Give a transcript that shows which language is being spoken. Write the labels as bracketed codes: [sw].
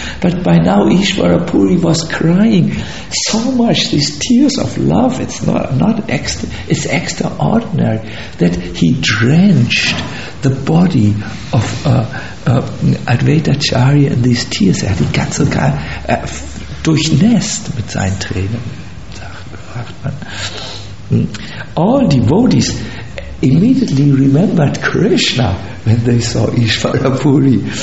[en] But by now Ishvara Puri was crying so much, these tears of love, it's not extra, it's extraordinary, that he drenched the body of Advaita Acharya in these tears. [de] Er hat die ganze Kar durchnässt mit seinen Tränen. [en] All devotees immediately remembered Krishna when they saw Ishvara Puri.